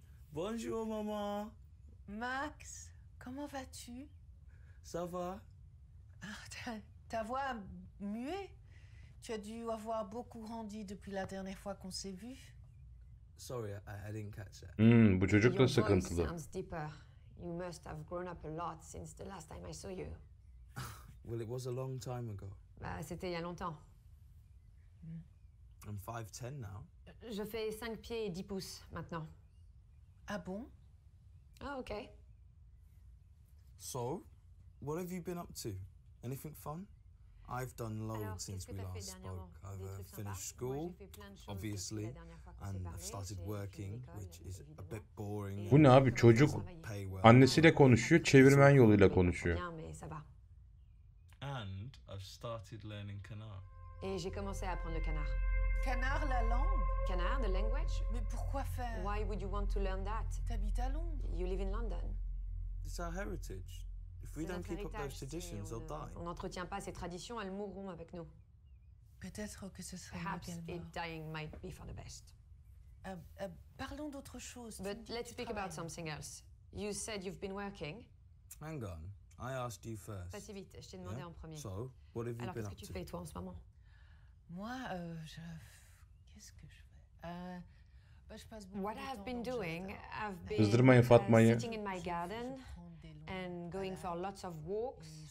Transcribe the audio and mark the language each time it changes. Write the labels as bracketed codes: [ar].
[fr] Bonjour, maman. Max, comment vas-tu? Ça va. Ah, ta voix a mué. Tu as dû avoir beaucoup grandi depuis la dernière fois qu'on s'est vu. [en] Sorry, I didn't catch that. [tr] Bu çocuk da sıkıntılı. [en] Your voice sounds deeper. You must have grown up a lot since the last time I saw you. Well, it was a long time ago. [fr] Bah, c'était il y a longtemps. [en] I'm 5'10 now. [fr] Je fais 5 pieds et 10 pouces maintenant. Ah bon? [en] Ah, oh, okay. So, what have you been up to? Anything fun? I've done loads [fr] Alors, [en] since we last spoke. I've finished [fr] sympas. [en] School, [fr] moi, [en] obviously, and I've started working, which is a bit boring. [tr] Bu ne abi? Çocuk annesiyle konuşuyor, çevirmen yoluyla konuşuyor. [en] And I've started learning canard. [fr] Et j'ai commencé à apprendre le canard. Canard, la langue? [en] Canard, the language? [fr] Mais pourquoi faire? [en] Why would you want to learn that? [fr] T'habites à Londres? [en] You live in London. It's our heritage. If we don't keep up those traditions, they'll die. [fr] On n'entretient pas ces traditions, elles mourront avec nous. Peut-être que ce serait [en] Perhaps it dying might be for the best. [fr] Parlons d'autre chose. [en] But let's speak about something else. You said you've been working. Hang on. I asked you first. [fr] Pas si vite, je t'ai demandé en premier. [en] So, what have you [fr] Alors, [en] been up to? [fr] Alors, qu'est-ce que tu fais, toi, en ce moment? Moi, je... Qu'est-ce que je fais? [en] What I've been doing, I've been sitting in my garden and going for lots of walks.